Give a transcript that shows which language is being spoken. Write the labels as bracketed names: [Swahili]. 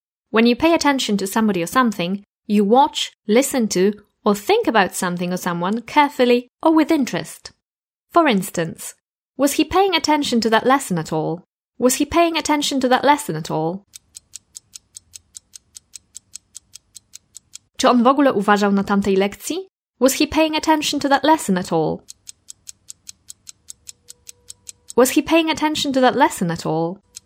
[English] When you pay attention to somebody or something, you watch, listen to, or think about something or someone carefully or with interest. For instance, was he paying attention to that lesson at all? Was he paying attention to that lesson at all? [Polish] Czy on w ogóle uważał na tamtej lekcji? [English] Was he paying attention to that lesson at all? Was he paying attention to that lesson at all?